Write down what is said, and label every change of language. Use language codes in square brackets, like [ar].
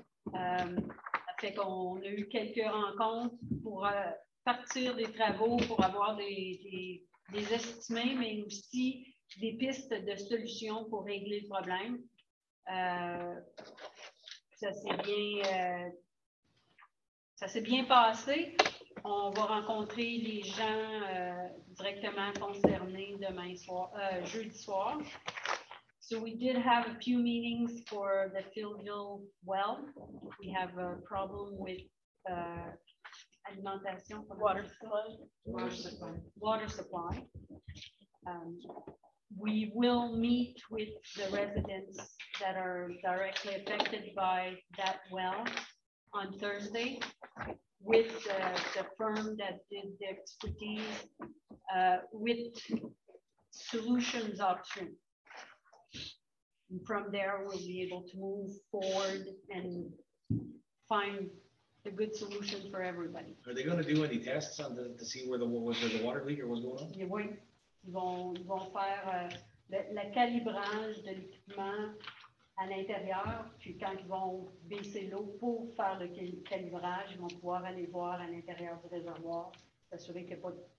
[fr] Ça fait qu'on a eu quelques rencontres pour partir des travaux, pour avoir des estimés, mais aussi des pistes de solutions pour régler le problème. Ça s'est bien passé. On va rencontrer les gens directement concernés demain soir, jeudi soir. [en] So we did have a few meetings for the Philville well. We have a problem with [fr] alimentation pour [en] water supply. Water supply. We will meet with the residents that are directly affected by that well on Thursday with the firm that did the expertise with solutions option. And from there, we'll be able to move forward and find a good solution for everybody. Are they going to do any tests on the, to see where the was there the water leak or what's going on? Yeah, oui. [fr] Ils vont faire le calibrage de l'équipement à l'intérieur, puis quand ils vont baisser l'eau pour faire le calibrage, ils vont pouvoir aller voir à l'intérieur du réservoir, s'assurer qu'il n'y a pas de